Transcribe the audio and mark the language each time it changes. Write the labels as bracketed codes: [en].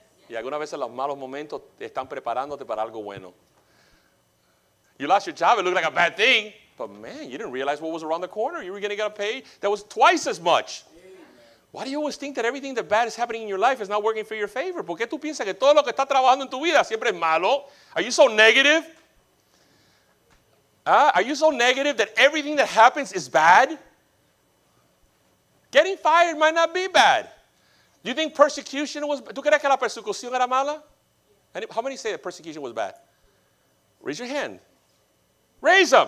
[es] Y algunas veces los malos momentos están preparándote para algo bueno. [en] You lost your job. It looked like a bad thing. But man, you didn't realize what was around the corner. You were going to get a pay that was twice as much. Why do you always think that everything that bad is happening in your life is not working for your favor? [es] ¿Por qué tú piensas que todo lo que está trabajando en tu vida siempre es malo? [en] Are you so negative? Are you so negative that everything that happens is bad? Getting fired might not be bad. Do you think persecution was bad? [es] ¿Tú crees que la persecución era mala? [en] How many say that persecution was bad? Raise your hand. Raise them.